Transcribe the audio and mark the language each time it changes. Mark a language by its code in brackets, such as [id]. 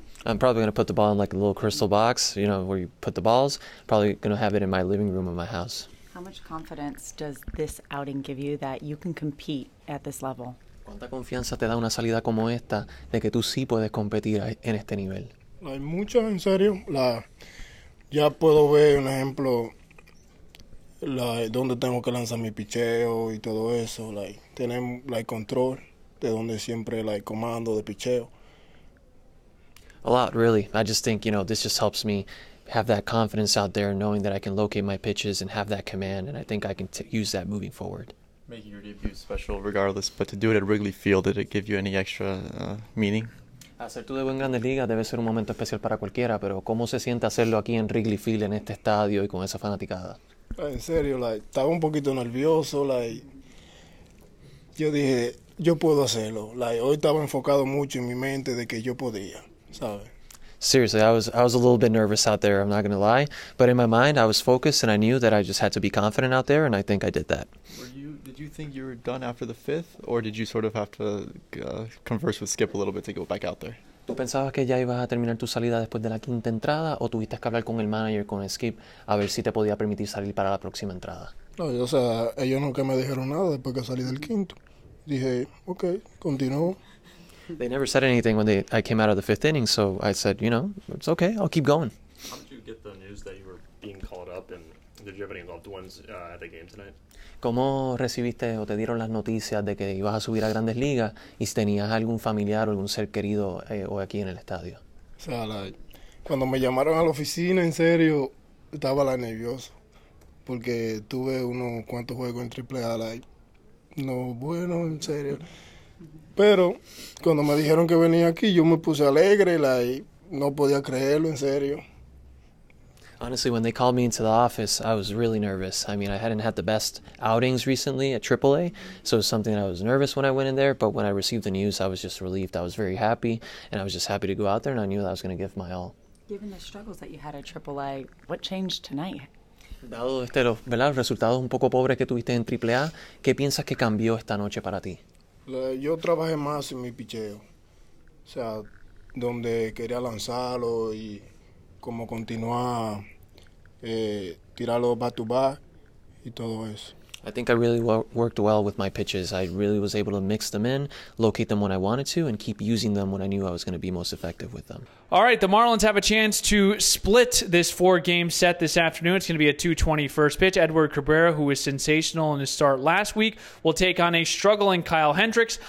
[en] I'm probably going to put the ball in like a little crystal box, you know, where you put the balls. Probably going to have it in my living room of my house. How much confidence does this outing give you that you can compete at this level? [es] ¿Cuánta confianza te da una salida como esta de que tú sí puedes competir en este nivel? Hay mucha, en serio. Ya puedo ver un ejemplo, dónde tengo que lanzar mi picheo y todo eso. Tener control de donde siempre comando de picheo. [en] A lot, really. I just think, you know, this just helps me have that confidence out there, knowing that I can locate my pitches and have that command, and I think I can use that moving forward. Making your debut special regardless, but to do it at Wrigley Field, did it give you any extra meaning? [es] Hacer tu debut en Grandes Ligas debe ser un momento especial para cualquiera, pero ¿cómo se siente hacerlo aquí en Wrigley Field, en este estadio y con esa fanaticada? En serio, estaba un poquito nervioso, yo dije, yo puedo hacerlo, hoy estaba enfocado mucho en mi mente de que yo podía, ¿sabes? [en] Seriously, I was a little bit nervous out there, I'm not going to lie. But in my mind, I was focused and I knew that I just had to be confident out there, and I think I did that. Did you think you were done after the fifth, or did you sort of have to converse with Skip a little bit to go back out there? [es] ¿Tú pensabas que ya ibas a terminar tu salida después de la quinta entrada, o tuviste que hablar con el manager, con Skip, a ver si te podía permitir salir para la próxima entrada? No, o sea, ellos nunca me dijeron nada después que salí del quinto. Dije, okay, continúo. [en] They never said anything when I came out of the fifth inning, so I said, you know, it's okay, I'll keep going. How did you get the news that you were being called up, and did you have any loved ones at the game tonight? [es] ¿Cómo recibiste o te dieron las noticias de que ibas a subir a Grandes Ligas y si tenías algún familiar o algún ser querido hoy aquí en el estadio? O sea, cuando me llamaron a la oficina, en serio, estaba nervioso, porque tuve unos cuantos juegos en AAA, no bueno, en serio. Pero cuando me dijeron que venía aquí, yo me puse alegre, no podía creerlo, en serio. [en] Honestly, when they called me into the office, I was really nervous. I mean, I hadn't had the best outings recently at AAA, so it was something that I was nervous when I went in there, but when I received the news, I was just relieved. I was very happy, and I was just happy to go out there, and I knew that I was going to give my all. Given the struggles that you had at AAA, what changed tonight? [es] Dado los resultados un poco pobres que tuviste en AAA, ¿qué piensas que cambió esta noche para ti? Yo trabajé más en mi picheo, o sea, donde quería lanzarlo y cómo continuar tirarlo [en] back to back [es] y todo eso. [en] I think I really worked well with my pitches. I really was able to mix them in, locate them when I wanted to, and keep using them when I knew I was going to be most effective with them. All right, the Marlins have a chance to split this 4-game set this afternoon. It's going to be a 2-20 first pitch. Edward Cabrera, who was sensational in his start last week, will take on a struggling Kyle Hendricks.